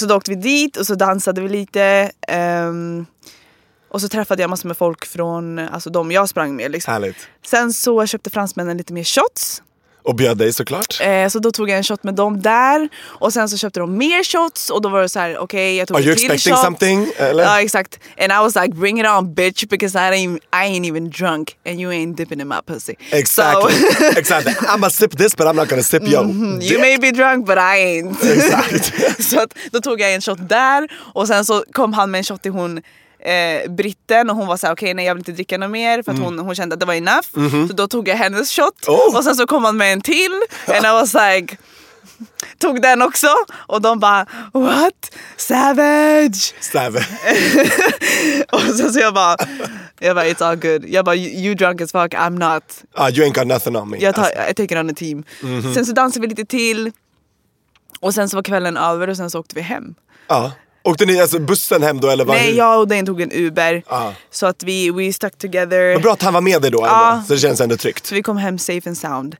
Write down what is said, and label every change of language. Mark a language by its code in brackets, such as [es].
[sv] Så då åkte vi dit och så dansade vi lite. Och så träffade jag massor med folk från, alltså de jag sprang med liksom. Härligt. Sen så köpte fransmännen lite mer shots. Och bjöd dig såklart. Så då tog jag en shot med dem där. Och sen så köpte de mer shots. Och då var det så här, okej, okay, jag tog [en] are [sv] en till shot. [en] Are you expecting something? [sv] Ja, exakt. [en] And I was like, bring it on, bitch. Because I ain't even drunk. And you ain't dipping in my pussy. Exactly. So. Exactly. I'ma sip this, but I'm not gonna sip your dick. You may be drunk, but I ain't. Exactly. [sv] Så att, då tog jag en shot där. Och sen så kom han med en shot till hon... britten och hon var så här, okej, nej, jag vill inte dricka något mer för att hon kände att det var enough. Mm-hmm. Så då tog jag hennes shot. Oh. Och sen så kom han med en till [en] and I was like, [sv] tog den också och de bara, what? [en] Savage. [sv] Och sen så jag bara [en] it's all good. [sv] Jag bara, [en] you drunk as fuck, I'm not. You ain't got nothing on me. I take it on the team. Mm-hmm. [sv] Sen så dansade vi lite till och sen så var kvällen över och sen så åkte vi hem. Ja. Åkte ni alltså bussen hem då eller vad? Nej, jag och den tog en Uber. Så att vi [en] stuck together. [sv] Men bra att han var med dig då ändå. Så det känns ändå tryggt. Så vi kom hem [en] safe and sound.